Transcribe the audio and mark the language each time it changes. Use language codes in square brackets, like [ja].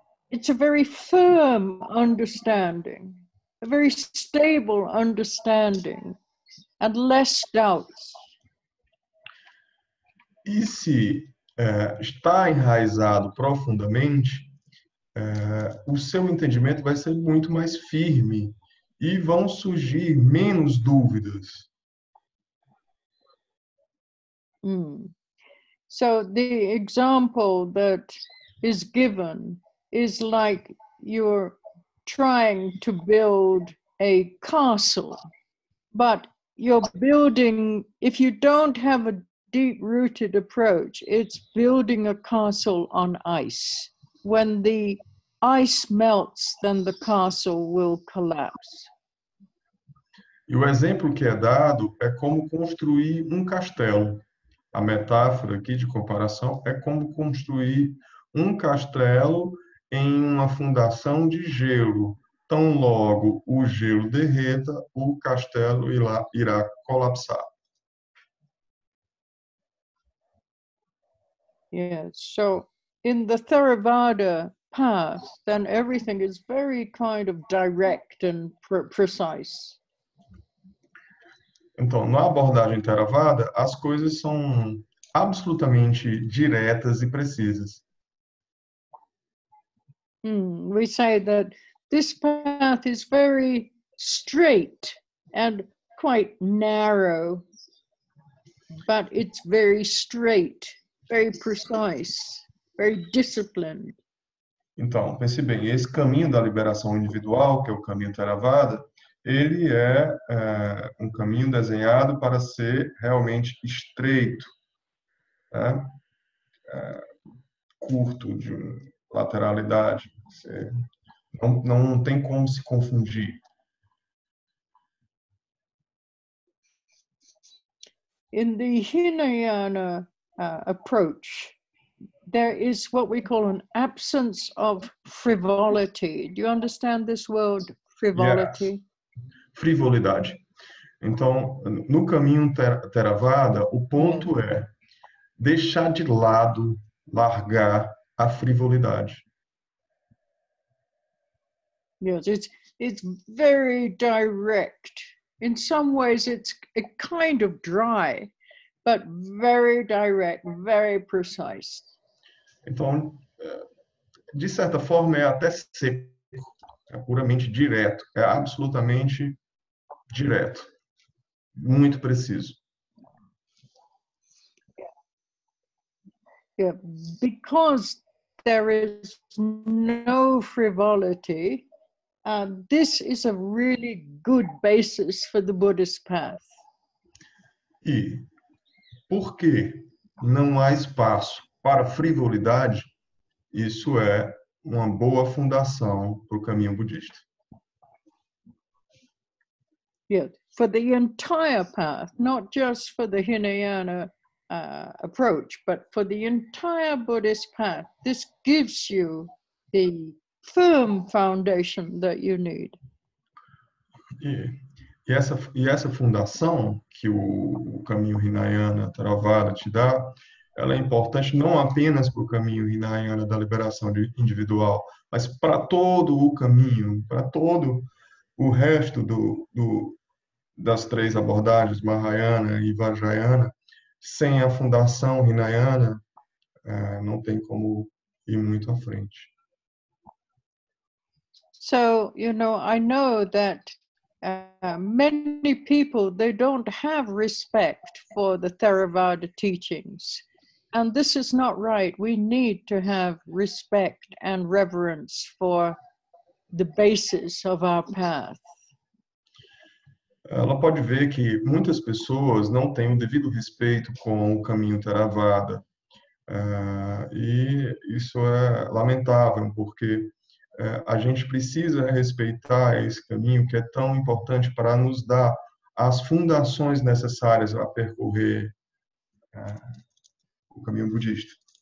[en] It's a very firm understanding, a very stable understanding, and less doubts. [pt] E se está enraizado profundamente, o seu entendimento vai ser muito mais firme e vão surgir menos dúvidas. [en] So the example that is given is like you're trying to build a castle, but you're building, if you don't have a deep-rooted approach, it's building a castle on ice. When the ice melts, then the castle will collapse. [pt] E o exemplo que é dado é como construir um castelo. A metáfora aqui de comparação é como construir um castelo em uma fundação de gelo. Tão logo o gelo derreta, o castelo irá colapsar. [en] Yes, so in the Theravada path, then everything is very kind of direct and precise. [pt] Então, na abordagem Theravada, as coisas são absolutamente diretas e precisas. [en] We say that this path is very straight and quite narrow, but it's very straight, very precise, very disciplined. [pt] Então, pense bem, esse caminho da liberação individual, que é o caminho Theravada, ele é um caminho desenhado para ser realmente estreito, né? Curto de lateralidade. Não tem como se confundir. [en] In the Hinayana approach, there is what we call an absence of frivolity. Do you understand this word, frivolity? Yes. [pt] Frivolidade. Então, no caminho Theravada, o ponto é deixar de lado, largar a frivolidade. [en] Yes, it's very direct. In some ways, it's a kind of dry, but very direct, very precise. [pt] Então, de certa forma, é até seco. É puramente direto. É absolutamente direto. Muito preciso. [en] Yeah. Because there is no frivolity, this is a really good basis for the Buddhist path. [pt] E porque não há espaço para frivolidade, isso é uma boa fundação para o caminho budista. [en] Yeah, for the entire path, not just for the Hinayana approach, but for the entire Buddhist path, this gives you the firm foundation that you need. [pt] E essa fundação que o caminho Hinayana Theravada te dá, ela é importante não apenas para o caminho Hinayana da liberação individual, mas para todo o caminho, para todo o resto das três abordagens, Mahayana e Vajrayana. Sem a fundação Hinayana, não tem como ir muito à frente. [en] So, you know, I know that many people, they don't have respect for the Theravada teachings. And this is not right. We need to have respect and reverence for the basis of our path. [pt] Ela pode ver que muitas pessoas não têm o devido respeito com o caminho Theravada. E isso é lamentável, porque a gente precisa respeitar esse caminho que é tão importante para nos dar as fundações necessárias a percorrer o caminho budista.